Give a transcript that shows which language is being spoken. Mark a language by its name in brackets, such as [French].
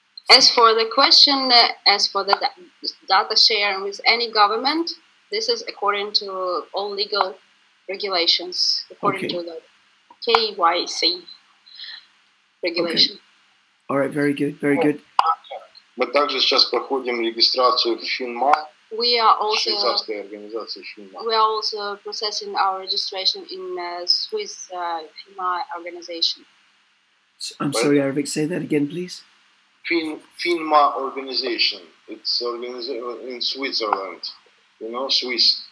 [English] As for the question, as for the data sharing with any government, this is according to all legal regulations, according to the KYC regulation. Okay. All right, very good, very good. [Russian] Мы также сейчас проходим регистрацию в ФИНМА. [English] We are also processing our registration in Swiss FINMA organization. I'm sorry, Arabic, say that again, please. FINMA organization. It's organization in Switzerland. You know, Swiss.